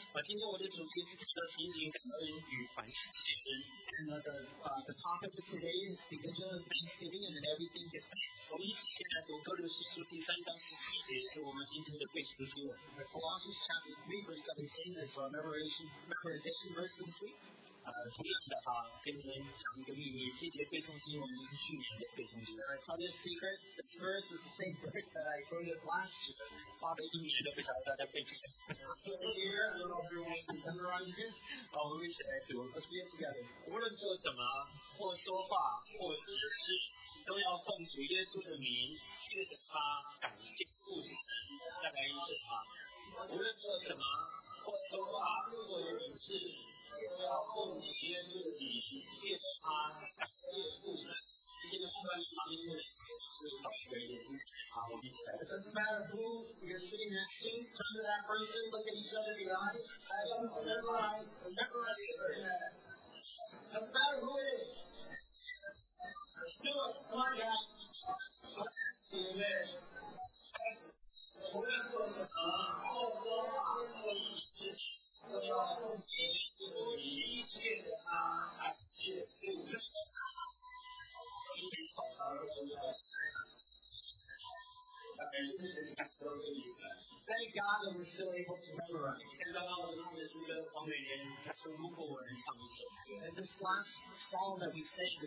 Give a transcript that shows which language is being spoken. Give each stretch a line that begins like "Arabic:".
English: And the topic of today is the vision of Thanksgiving and then everything gets better. Colossians chapter 3 verse 17 is our memorization verse for this week.
Chinese: 同样的哈、跟你们讲一个秘密，这节背诵经文就是去年的背诵经文。
English: Tell you a secret, this verse is the same verse that I told you last year.
Chinese: 花了一年都不晓得大家背起来。
English: Here, I don't know if you want to memorize it.
Chinese: 好，我们一起来读。
English: Let's read it together.
Chinese: 无论做什么，或说话，或行事，都要奉主耶稣的名，借着他感谢父神。再来一次啊！无论做什么，或说话，或行事。要奉主耶稣的名，借他感谢父神。现在后面旁边的是少一个眼睛，好，我们一起来。
English: It doesn't matter who you're sitting next to, turn to that person, look at each other in the eye. I don't memorize, It doesn't matter who it is. Still, come on, guys. Amen.
Chinese: 无论做什么，或说话，或行事。
English: Thank God that we're still able to memorize. And this last song that we sang, the sister, she said, if I'm able to sing a song.